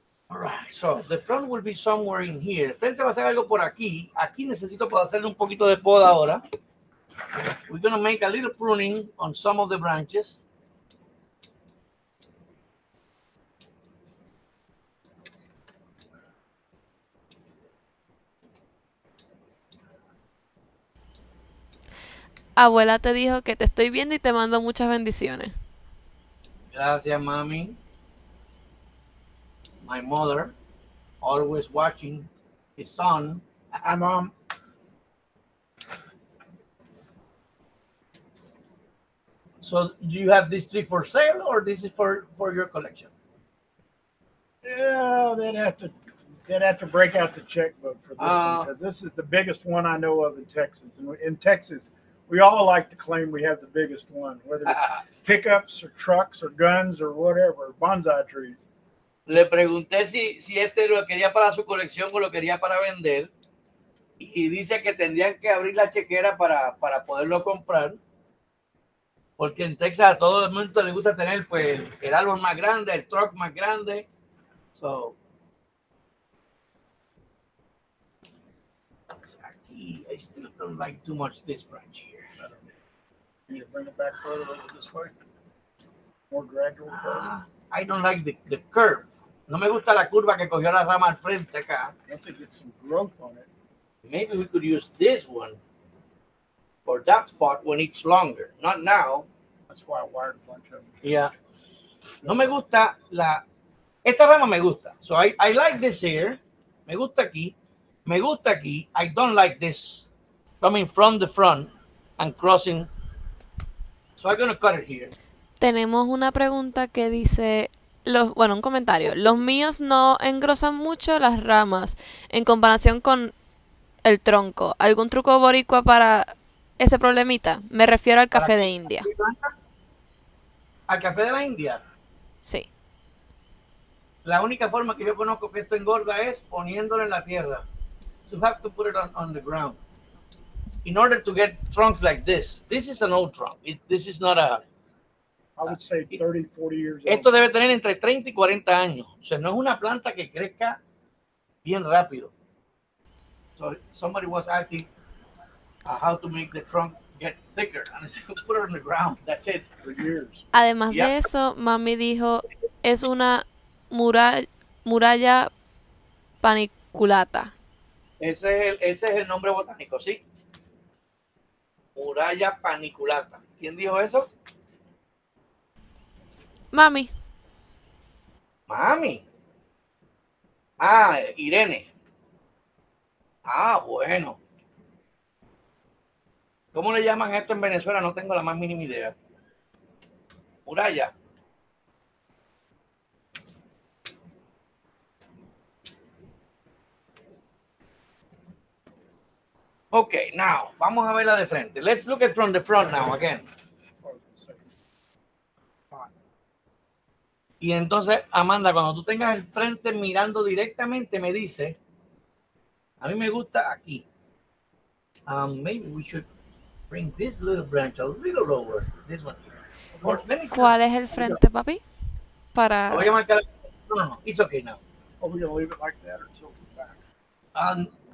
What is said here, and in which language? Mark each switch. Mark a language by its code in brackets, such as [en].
[en] All right, so the front will be somewhere in here. [es] El frente va a ser algo por aquí. Aquí necesito para hacerle un poquito de poda ahora. [en] We're going to make a little pruning on some of the branches. [es] Abuela te dijo que te estoy viendo y te mando muchas bendiciones. Gracias, mami. [en] My mother always watching his son. Hi, mom. So do you have this tree for sale or this is for your collection? Yeah, they'd have to break out the checkbook for this one because this is the biggest one I know of in Texas. And in Texas, we all like to claim we have the biggest one, whether it's pickups or trucks or guns or whatever, bonsai trees. [es] Le pregunté si este lo quería para su colección o lo quería para vender. Y dice que tendrían que abrir la chequera para poderlo comprar. Porque en Texas a todo el mundo le gusta tener pues, el árbol más grande, el truck más grande. [en] So. [es] Aquí, [en] I still don't like too much this branch here. Can you bring it back further this way? More gradual. I don't like the curve. [es] No me gusta la curva que cogió la rama al frente acá. [en] Let's get some growth on it. Maybe we could use this one. for that spot when it's longer, not now. That's why I wired a bunch of them. [es] Yeah. No me gusta la... Esta rama me gusta. [en] So I like this here. [es] Me gusta aquí. Me gusta aquí. [en] I don't like this coming from the front and crossing. So I'm going to cut it here. [es] Tenemos una pregunta que dice... Los, bueno, un comentario. Los míos no engrosan mucho las ramas en comparación con el tronco. ¿Algún truco boricua para ese problemita? Me refiero al café de India. ¿Al café de la India? Sí. La única forma que yo conozco que esto engorda es poniéndolo en la tierra. [en] You have to put it on the ground. In order to get trunks like this. This is an old trunk. This is not a... I would say 30, 40 years old. [es] Esto debe tener entre 30 y 40 años. O sea, no es una planta que crezca bien rápido. [en] So somebody was asking how to make the trunk get thicker. And I said, put it on the ground. That's it. For years. [es] Además de eso, mami dijo, es una muralla paniculata. Ese es el nombre botánico, ¿sí? Muralla paniculata. ¿Quién dijo eso? Mami. Mami. Ah, Irene. Ah, bueno. ¿Cómo le llaman esto en Venezuela? No tengo la más mínima idea. Muralla. [en] Okay, now, [es] vamos a verla de frente. [en] Let's look at from the front now again. [es] Y entonces, Amanda, cuando tú tengas el frente mirando directamente, me dice, a mí me gusta aquí. [en] Maybe we should bring this little branch a little lower. This one. [es] Course, ¿cuál es el frente, papi? Para... Voy a marcar... No, [en] it's okay now. Oh, yeah, leave it like that or tilt it back.